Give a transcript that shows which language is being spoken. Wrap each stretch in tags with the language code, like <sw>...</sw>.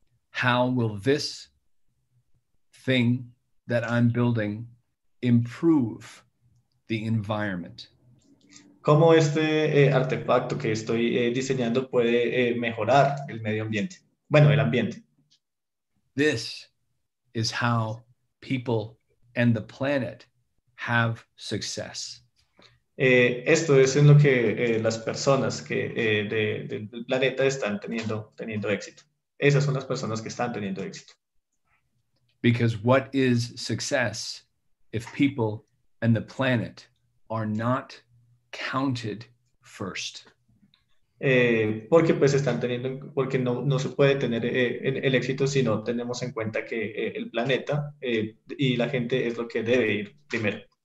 <en>How will this thing that I'm building improve the environment?</en> <es>¿Cómo este artefacto que estoy diseñando puede mejorar el medio ambiente? Bueno, el ambiente.</es> <en>This is how people and the planet have success.</en> <es>Esto es en lo que las personas que del planeta están teniendo éxito. Esas son las personas que están teniendo éxito.</es> <en>Because what is success if people and the planet are not counted first?</en> <es>Porque pues están teniendo, porque no se puede tener el éxito si no tenemos en cuenta que el planeta y la gente es lo que debe ir primero.</es>